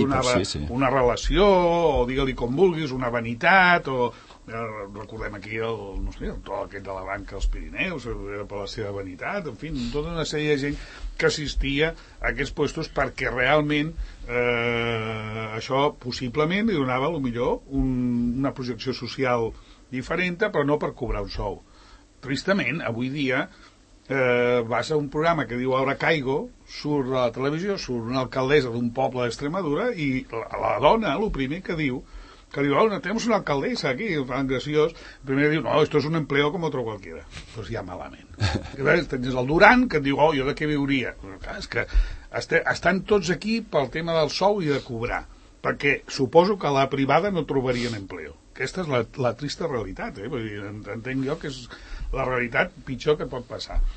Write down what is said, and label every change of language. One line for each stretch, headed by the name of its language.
Catalan: això donava una relació, o digue-li com vulguis, una vanitat, o recordem aquí el tot aquest de la banca als Pirineus, per la seva vanitat, en fi, tota una sèrie de gent que assistia a aquests llocs perquè realment això possiblement li donava, a lo millor, una projecció social diferent, però no per cobrar un sou. Tristament, avui dia... vas a un programa que diu Ahora Caigo, surt a la televisió, surt una alcaldessa d'un poble d'Extremadura, i la dona, el primer que diu, que diu, oh,
Spanish: tenemos una alcaldesa
Catalan: aquí, tan graciós. Primer diu, no,
Spanish: esto es un empleo como otro cualquiera.
Catalan: Pues ja malament. Tens el Durant, que et diu, oh, jo de què viuria? És que estan tots aquí pel tema del sou i de cobrar. Perquè suposo que a la privada no trobarien empleo. Aquesta és la trista realitat, eh? Vull dir, entenc jo que és la realitat pitjor que pot passar.